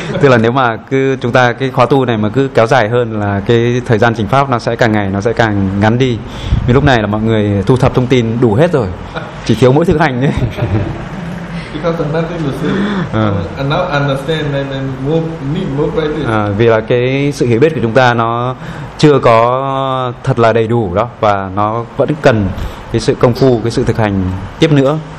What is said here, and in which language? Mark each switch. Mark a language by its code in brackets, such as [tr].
[vi] Tức là nếu mà cứ chúng ta cái khóa tu này mà cứ kéo dài hơn là cái thời gian trình pháp nó sẽ càng ngày nó sẽ càng ngắn đi. Vì lúc này là mọi người thu thập thông tin đủ hết rồi, chỉ thiếu mỗi thực hành thôi. [en] because nothing to see. And now understand and then more need more practice. [vi] Vì là cái sự hiểu biết của chúng ta nó chưa có thật là đầy đủ đó, và nó vẫn cần cái sự công phu, cái sự thực hành tiếp nữa.